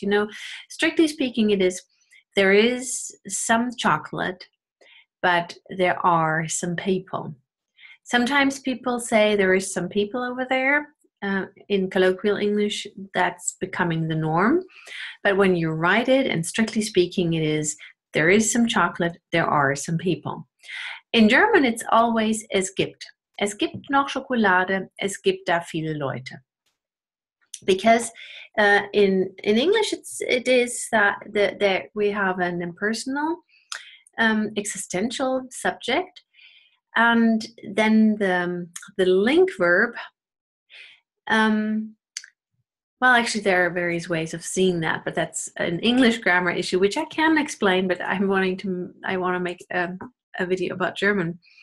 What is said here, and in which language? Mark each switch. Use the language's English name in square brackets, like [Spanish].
[English] You know, strictly speaking, it is there is some chocolate, but there are some people. Sometimes people say there is some people over there. In colloquial English, that's becoming the norm. But when you write it, and strictly speaking, it is there is some chocolate, there are some people. In German, it's always [German] es gibt. Es gibt noch Schokolade, es gibt da viele Leute. [English] Because in English, it is that we have an impersonal existential subject, and then the link verb. Well, actually, there are various ways of seeing that, but that's an English grammar issue, which I can explain, but I want to make a video about German.